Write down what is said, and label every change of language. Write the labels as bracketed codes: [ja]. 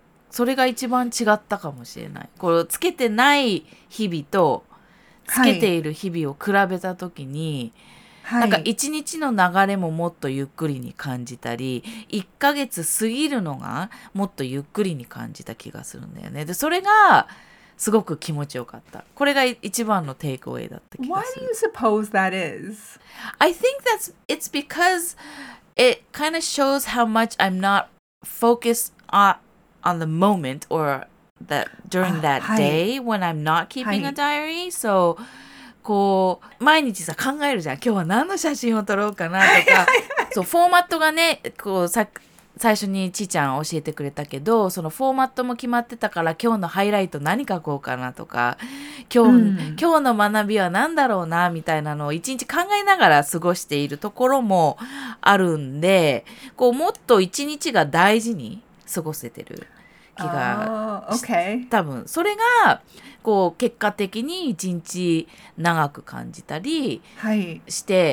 [ja] それが一番違ったかもしれない。これつけてない日々と、つけている日々を比べたときに、はい、なんか一日の流れももっとゆっくりに感じたり、一ヶ月過ぎるのがもっとゆっくりに感じた気がするんだよね。で、それが、すごく気持ちよかった。これが一番のテイクアウェイだった気がする。 [en] Why do you suppose that is? I think that's it's because it kind of shows how much I'm not focused on the moment or that during that day when I'm not keeping a diary. [ja] So, こう毎日さ考えるじゃん。今日は何の写真を撮ろうかなとか。そうフォーマットがね、こうさ。最初にちーちゃん教えてくれたけど、そのフォーマットも決まってたから、今日のハイライト何書こうかなとか、今日の学びは何だろうなみたいなのを一日考えながら過ごしているところもあるんで、こうもっと一日が大事に過ごせてる気が、多分それがこう結果的に一日長く感じたりして、